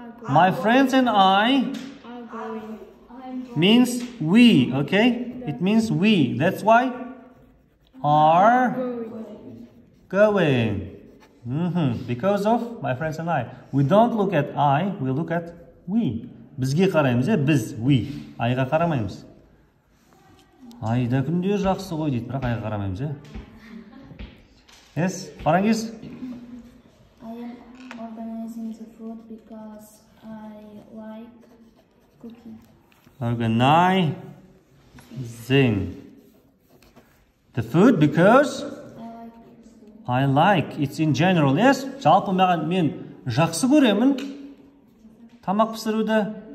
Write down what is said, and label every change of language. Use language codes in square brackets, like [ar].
[en] My friends and I means we, okay? It means we. That's why are going. Mm-hmm. Because of my friends and I. We don't look at I, we look at we. [kk] Бізге қараймыз, біз, we. Айға қарамаймыз. Айда күнде жақсы ғой дейді, бірақ айға қарамаймыз. [en] Yes, Парангиз? I am organizing the food because I like cooking. Organizing the food because I like, it's in general, yes? [kk] Жалпы маған, мен жақсы көремін тамақ пісіруді.